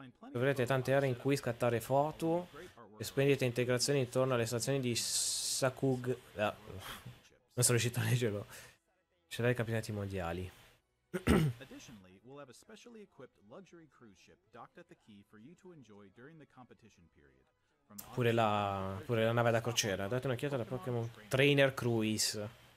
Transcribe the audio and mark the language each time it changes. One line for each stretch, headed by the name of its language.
Italian: Troverete tante aree in cui scattare foto, Splendida integrazione intorno alle stazioni di Sakug. Ah, non sono riuscito a leggerlo. C'è dai campionati mondiali.
English: Additionally, we'll have a specially equipped luxury cruise ship docked at the quay for you to enjoy during the competition period.
Italian: Pure la nave da crociera. Date un'occhiata da Pokémon Trainer Cruise.